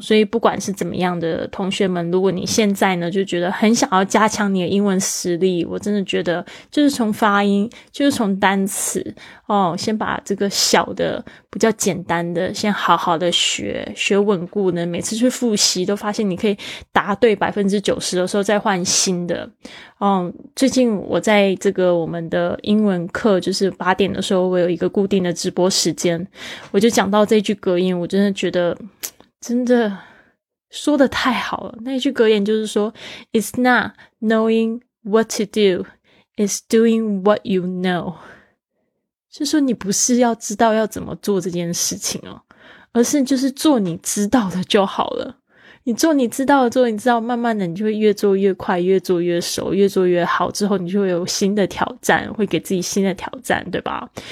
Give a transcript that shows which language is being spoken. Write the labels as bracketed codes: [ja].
[zh] 所以不管是怎么样的同学们，如果你现在呢就觉得很想要加强你的英文实力，我真的觉得就是从发音，就是从单词哦，先把这个小的比较简单的先好好的学学稳固呢，每次去复习都发现你可以答对 90% 的时候再换新的哦。最近我在这个我们的英文课就是八点的时候，我有一个固定的直播时间，我就讲到这句格言，我真的觉得真的说得太好了。 [en] 那句格言就是说 It's not knowing what to do, it's doing what you know. [zh] 就说你不是要知道要怎么做这件事情哦，而是就是做你知道的就好了。你做你知道的，做你知道，慢慢的你就会越做越快，越做越熟，越做越好，之后你就会有新的挑战，会给自己新的挑战，对吧？